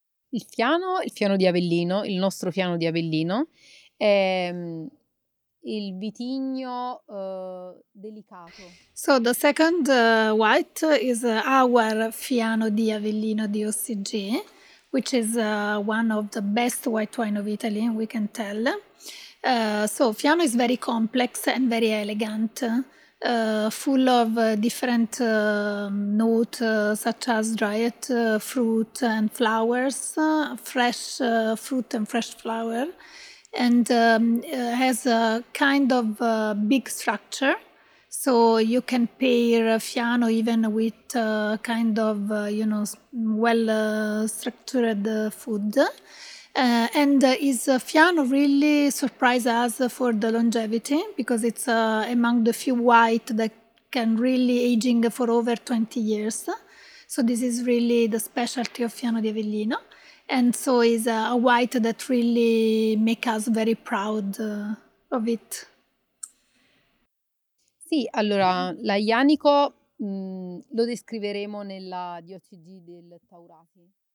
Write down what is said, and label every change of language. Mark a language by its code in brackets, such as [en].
[it] Il Fiano di Avellino, il nostro Fiano di Avellino, è il vitigno delicato. [en] So the second white is our Fiano di Avellino di OCG, which is one of the best white wine of Italy, we can tell. So Fiano is very complex and very elegant, full of different notes such as dried fruit and flowers, fresh fruit and fresh flower, and has a kind of big structure. So you can pair Fiano even with kind of, you know, well structured food. And is Fiano really surprised us for the longevity, because it's among the few white that can really aging for over 20 years. So this is really the specialty of Fiano di Avellino. And so is a white that really make us very proud of it. [it] Sì, allora, l'Aglianico lo descriveremo nella DOCG del Taurati.